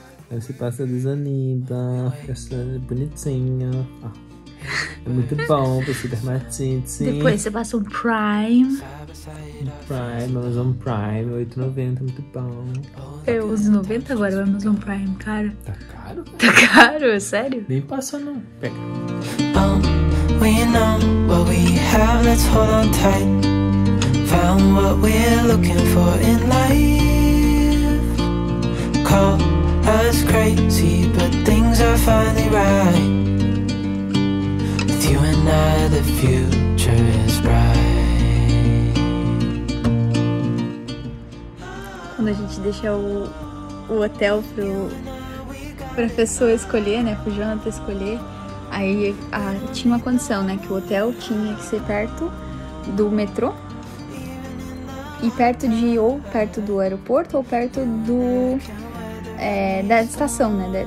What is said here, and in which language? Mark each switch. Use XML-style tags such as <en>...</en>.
<pt>Aí você passa a desanida, fica bonitinha. É muito bom pra se dermatite. Depois você passa um prime. Prime, Amazon Prime, R$8,90, muito bom. Eu uso 90 agora, o Amazon Prime, cara. Tá caro? Tá caro, sério? Nem passa não. Pega.</pt> <en>We know what we have, let's hold on tight. Found what we're looking for in life. Call us crazy, but things are finally right. With you and I, the future is bright.</en> <pt>Quando a gente deixa o hotel pro professor escolher, né? Pro Jonathan escolher. Aí tinha uma condição, né? Que o hotel tinha que ser perto do metrô. E perto de, ou perto do aeroporto, ou perto do da estação, né?</pt>